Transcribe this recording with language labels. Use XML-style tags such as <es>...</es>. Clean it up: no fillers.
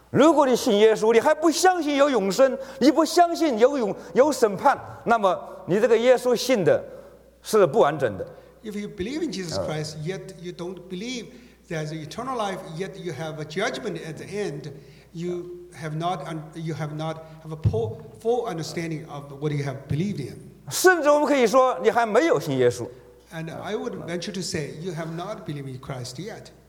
<zh>如果你信耶稣，你还不相信有永生，你不相信有审判，那么你这个耶稣信的是不完整的。</zh> <en>If you believe in Jesus Christ, yet you don't believe there's eternal life, yet you have a judgment at the end, you have not a full understanding of what you have believed in.</en> <zh>甚至我们可以说，你还没有信耶稣。</zh> <en>And I would venture to say you have not believed in Christ yet.</en>